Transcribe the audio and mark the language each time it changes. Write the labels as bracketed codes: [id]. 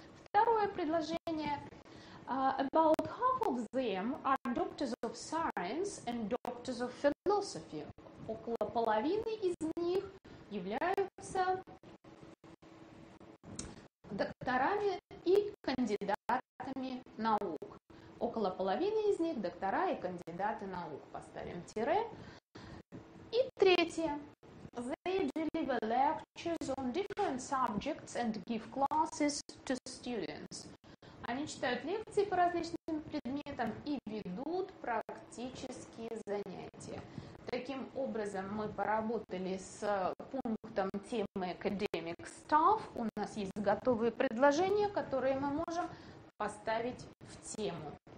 [ru] Второе предложение: [en] about half of them are doctors of science and doctors of philosophy. [ru] Около половины из них являются докторами и кандидатами наук. Около половины из них доктора и кандидаты наук. Поставим тире. И третье. [en] They deliver lectures on different subjects and give classes to students. [ru] Они читают лекции по различным предметам и ведут практические занятия. Таким образом, мы поработали с пунктом темы [en] academic staff. [ru] У нас есть готовые предложения, которые мы можем поставить в тему.